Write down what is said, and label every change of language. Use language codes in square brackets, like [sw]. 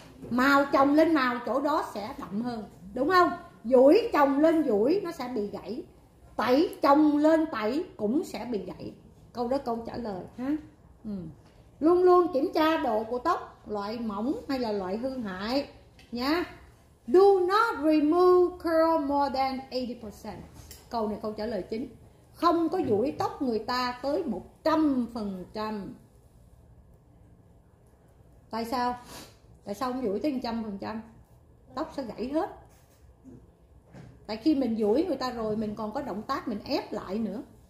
[vi] Màu chồng lên màu chỗ đó sẽ đậm hơn, đúng không? Duỗi chồng lên duỗi nó sẽ bị gãy. Tẩy chồng lên tẩy cũng sẽ bị gãy. Câu đó câu trả lời ha. Luôn luôn kiểm tra độ của tóc, loại mỏng hay là loại hư hại nha. [en] Do not remove curl more than 80%. [vi] Câu này câu trả lời chính. Không có duỗi tóc người ta tới 100%. Tại sao? Tại sao không duỗi tới 100%? Tóc sẽ gãy hết. Tại khi mình duỗi người ta rồi, mình còn có động tác mình ép lại nữa.